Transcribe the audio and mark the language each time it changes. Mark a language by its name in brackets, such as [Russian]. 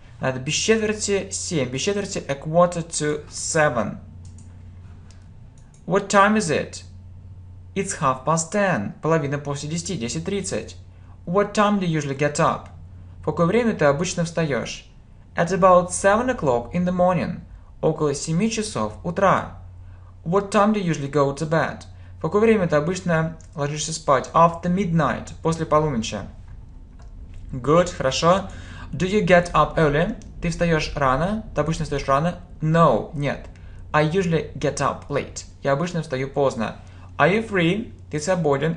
[Russian] Надо без четверти 7, без четверти [English] a quarter to seven. What time is it? It's 10:30. [Russian] Половина после 10, 10:30. [English] What time do you usually get up? [Russian] В какое время ты обычно встаешь? [English] At about 7 o'clock in the morning. [Russian] Около 7 часов утра. [English] What time do you usually go to bed? [Russian] В какое время ты обычно ложишься спать? [English] After midnight. [Russian] После полуночи. [English] Good, хорошо. Do you get up early? [Russian] Ты встаешь рано? Ты обычно встаешь рано? [English] No, [Russian] нет. [English] I usually get up late. [Russian] Я обычно встаю поздно. [English] Are you free? [Russian] Ты свободен?